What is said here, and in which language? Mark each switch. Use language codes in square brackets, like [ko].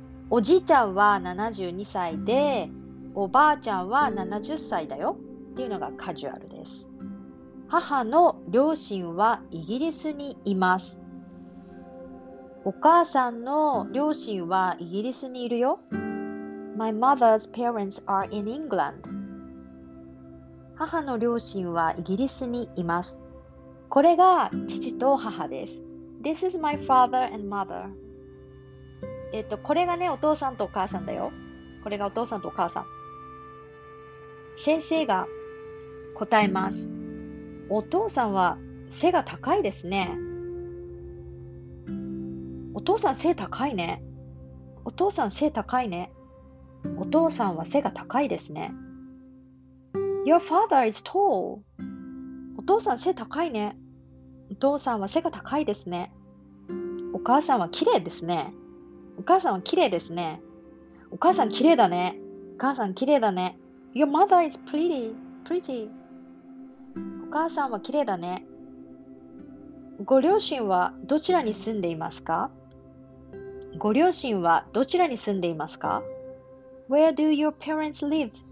[ja] おじいちゃんは72歳で、おばあちゃんは70歳だよっていうのがカジュアルです。母の両親はイギリスにいます。お母さんの両親はイギリスにいるよ。 [en] My mother's parents are in England. [ja] 母の両親はイギリスにいます。これが父と母です。 [en] This is my father and mother. [ja] これがね、お父さんとお母さんだよ。これがお父さんとお母さん。先生が答えます。お父さんは背が高いですね。お父さん背高いね。お父さん背高いね。お父さんは背が高いですね。 [en] Your father is tall. [ja] お父さん背高いね。お父さんは背が高いですね。お母さんは綺麗ですね。お母さんは綺麗ですね。お母さん綺麗だね。お母さん綺麗だね。 [en] Your mother is pretty. Pretty. [ja] お母さんは綺麗だね。ご両親はどちらに住んでいますか？ご両親はどちらに住んでいますか？ [en] Where do your parents live?